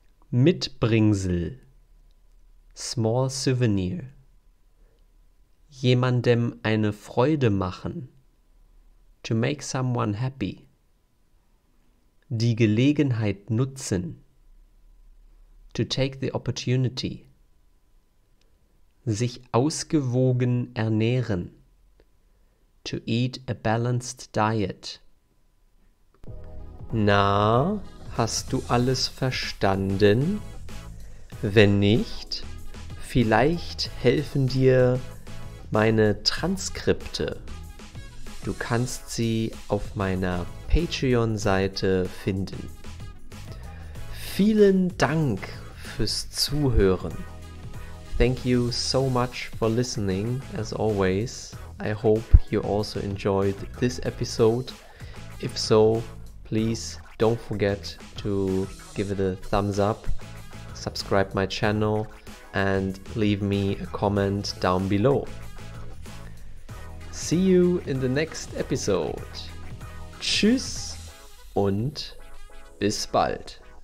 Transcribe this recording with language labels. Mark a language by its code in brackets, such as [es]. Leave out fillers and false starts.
[en] Mitbringsel. Small souvenir. [de] Jemandem eine Freude machen. [en] To make someone happy. [de] Die Gelegenheit nutzen. [en] To take the opportunity. [de] Sich ausgewogen ernähren. [en] To eat a balanced diet. [de] Na, hast du alles verstanden? Wenn nicht, vielleicht helfen dir meine Transkripte. Du kannst sie auf meiner Patreon-Seite finden. Vielen Dank fürs Zuhören. [en] Thank you so much for listening, as always. I hope you also enjoyed this episode. If so, please don't forget to give it a thumbs up, subscribe my channel, and leave me a comment down below. See you in the next episode. [de] Tschüss und bis bald.